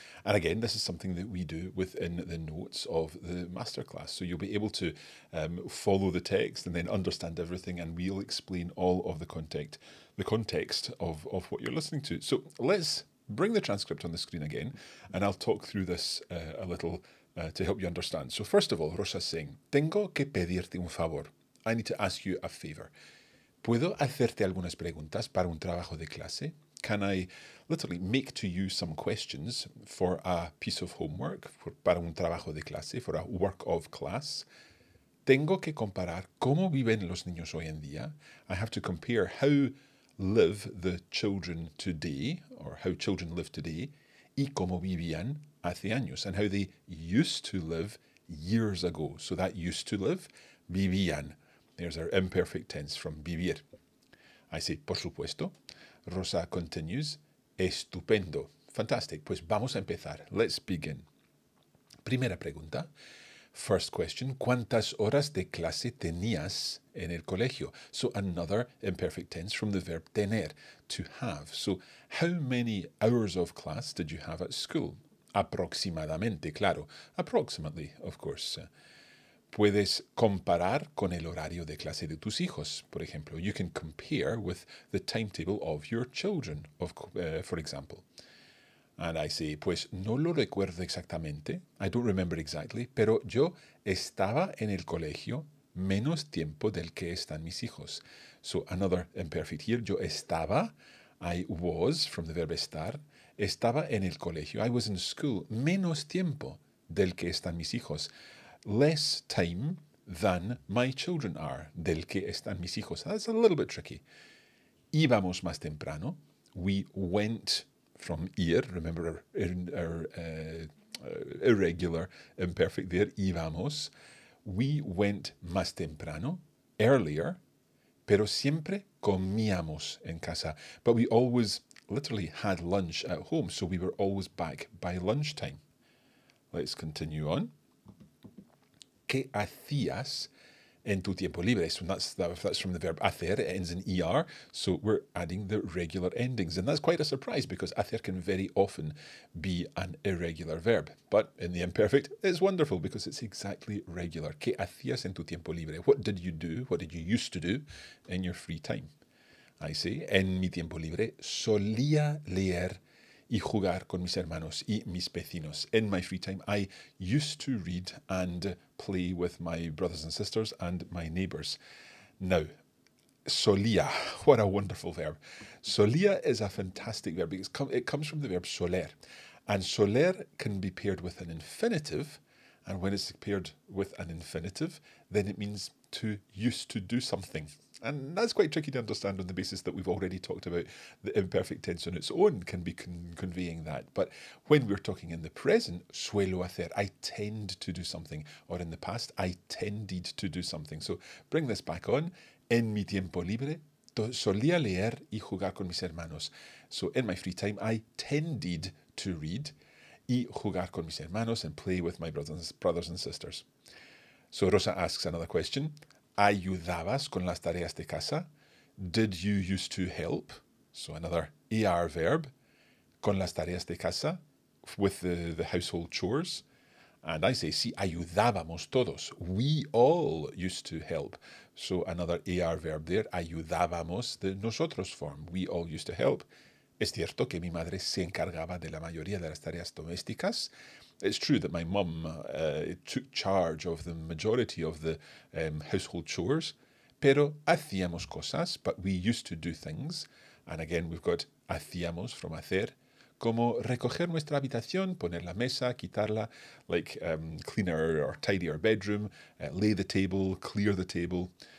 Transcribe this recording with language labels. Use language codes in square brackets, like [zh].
[en] And again, this is something that we do within the notes of the masterclass, so you'll be able to follow the text and then understand everything, and we'll explain all of the context of what you're listening to. So let's bring the transcript on the screen again, and I'll talk through this a little to help you understand. So first of all, Rosa's saying, [es] tengo que pedirte un favor. [en] I need to ask you a favor. [es] ¿Puedo hacerte algunas preguntas para un trabajo de clase? [en] Can I literally make to you some questions for a piece of homework, [es] para un trabajo de clase, [en] for a work of class? [es] Tengo que comparar cómo viven los niños hoy en día. [en] I have to compare how live the children today, or how children live today, [es] y cómo vivían hace años, [en] and how they used to live years ago. So that used to live, vivían. There's our imperfect tense from vivir. I say, [es] por supuesto. [en] Rosa continues, estupendo. Fantastic. [es] Pues vamos a empezar. [en] Let's begin. [es] Primera pregunta. [en] First question, [es] ¿cuántas horas de clase tenías en el colegio? [en] So another imperfect tense from the verb tener, to have. So how many hours of class did you have at school? [es] Aproximadamente, claro. [en] Approximately, of course. [es] Puedes comparar con el horario de clase de tus hijos, por ejemplo. [en] You can compare with the timetable of your children, for example. And I say, [es] pues no lo recuerdo exactamente. [en] I don't remember exactly. [es] Pero yo estaba en el colegio menos tiempo del que están mis hijos. [en] So another imperfect here. [es] Yo estaba, [en] I was, from the verb estar. [es] Estaba en el colegio, [en] I was in school, [es] menos tiempo del que están mis hijos. [en] Less time than my children are, [es] del que están mis hijos. [en] That's a little bit tricky. [es] Íbamos más temprano. [en] We went from ir, remember irregular imperfect there, íbamos. We went [es] más temprano, earlier, pero siempre comíamos en casa. [en] But we always literally had lunch at home, so we were always back by lunchtime. Let's continue on. [es] ¿Qué hacías en tu tiempo libre? [en] So that's from the verb hacer. It ends in er, so we're adding the regular endings. And that's quite a surprise because hacer can very often be an irregular verb. But in the imperfect, it's wonderful because it's exactly regular. [es] ¿Qué hacías en tu tiempo libre? [en] What did you do? What did you used to do in your free time? I see. [es] En mi tiempo libre, solía leer y jugar con mis hermanos y mis vecinos. [en] In my free time, I used to read and play with my brothers and sisters and my neighbors. Now, solía, what a wonderful verb. Solía is a fantastic verb. It comes from the verb soler. And soler can be paired with an infinitive. And when it's paired with an infinitive, then it means to used to do something. And that's quite tricky to understand on the basis that we've already talked about the imperfect tense on its own can be conveying that. But when we're talking in the present, [es] suelo hacer, [en] I tend to do something. Or in the past, I tended to do something. So bring this back on. [es] En mi tiempo libre, solía leer y jugar con mis hermanos. [en] So in my free time, I tended to read [es] y jugar con mis hermanos [en] and play with my brothers and sisters. So Rosa asks another question. [es] ¿Ayudabas con las tareas de casa? [en] Did you used to help? So another er verb. [es] Con las tareas de casa, [en] with the household chores. And I say, [es] sí, ayudábamos todos. [en] We all used to help. So another er verb there. Ayudábamos, the nosotros form. We all used to help. [es] Es cierto que mi madre se encargaba de la mayoría de las tareas domésticas. [en] It's true that my mum took charge of the majority of the household chores, [es] pero hacíamos cosas, [en] but we used to do things. And again, we've got hacíamos from hacer, [es] como recoger nuestra habitación, poner la mesa, quitarla, [en] like clean or tidy our bedroom, lay the table, clear the table.